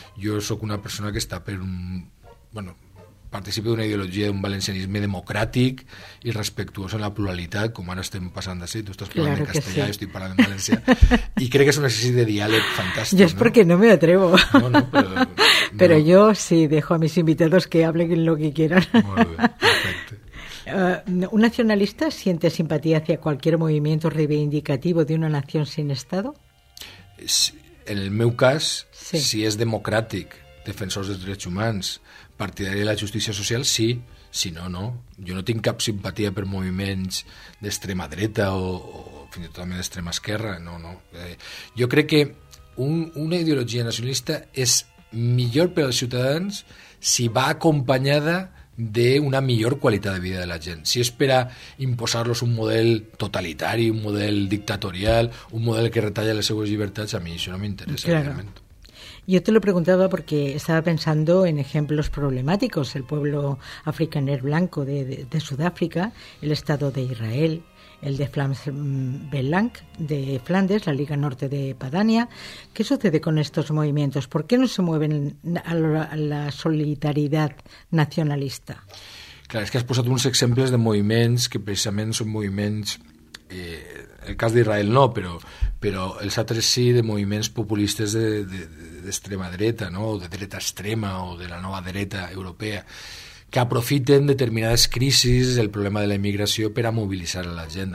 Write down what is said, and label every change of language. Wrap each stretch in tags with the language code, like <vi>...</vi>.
<ca>Jo sóc una persona que està per un... Bueno, participa d'una ideologia d'un valencianisme democràtic i respectuós en la pluralitat, com ara estem passant d'ací. Tu estàs parlant</ca> <es>claro</es> <ca>en castellà, sí. Jo estic parlant en valencià. I crec que és un exercici de diàleg fantàstic. Jo és perquè</ca> <es>no me atrevo.</es> <ca>No, però jo sí,</ca> <es>dejo a mis invitados que hablen lo que quieran.</es> <ca>Molt bé, perfecte.</ca> <es>¿Un nacionalista siente simpatía hacia cualquier movimiento reivindicativo de una nación sin Estado?</es> <ca>En el meu cas, sí. Si és democràtic, defensors dels drets humans, partidari de la justícia social, sí, si no, no. Jo no tinc cap simpatia per moviments d'extrema dreta o fins i tot també d'extrema esquerra, no. Jo crec que una ideologia nacionalista és millor per als ciutadans si va acompanyada d'una millor qualitat de vida de la gent. Si és per a imposar-los un model totalitari, un model dictatorial, un model que retalla les seues llibertats, a mi això no m'interessa,</ca> <es>claro.</es> <ca>Realment.</ca> <es>Yo te lo preguntaba porque estaba pensando en ejemplos problemáticos, el pueblo afrikaner blanco de Sudáfrica, el Estado de Israel, el de Flams Belang de Flandes, la Liga Norte de Padania. ¿Qué sucede con estos movimientos? ¿Por qué no se mueven a la solidaridad nacionalista?</es> <ca>Claro, es que has posat uns exemples de moviments que precisament són moviments... el cas d'Israel no, però els altres sí, de moviments populistes d'extrema dreta, no? O de dreta extrema o de la nova dreta europea, que aprofiten determinades crisis, el problema de la immigració, per a mobilitzar la gent.</ca>